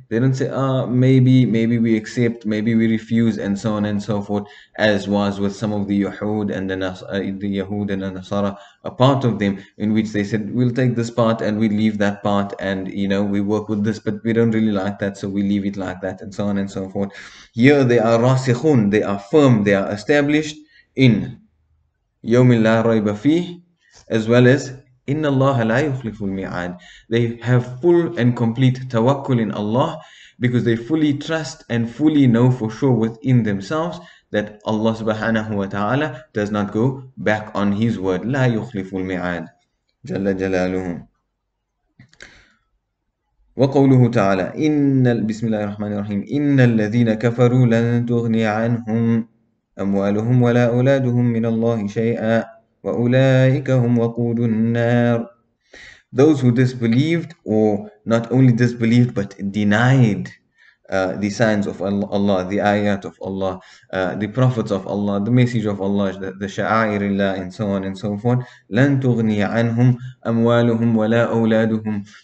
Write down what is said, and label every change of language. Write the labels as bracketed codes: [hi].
[en] They don't say, maybe we accept, maybe we refuse, and so on and so forth, as was with some of the Yahud and the Nasara, a part of them, in which they said, we'll take this part and we leave that part, and you know, we work with this, but we don't really like that, so we leave it like that, and so on and so forth. Here they are rasikhun, they are firm, they are established [ar] in يوم لا ريب فيه, [en] as well as [ar] إن الله لا يخلف الميعاد. [en] They have full and complete tawakkul in Allah, because they fully trust and fully know for sure within themselves that Allah subhanahu wa ta'ala does not go back on His word. [ar] لا يخلف الميعاد جل جلاله. وقوله تعالى إن بسم الله الرحمن الرحيم إن الذين كفروا لن تغني عنهم أموالهم ولا أولادهم من الله شيئا وأولئك هم وقود النار. [en] Those who disbelieved, or not only disbelieved but denied the signs of Allah, the ayat of Allah, the prophets of Allah, the message of Allah, the sha'air Allah, and so on and so forth, [ar] لن تغني عنهم أموالهم ولا أولادهم.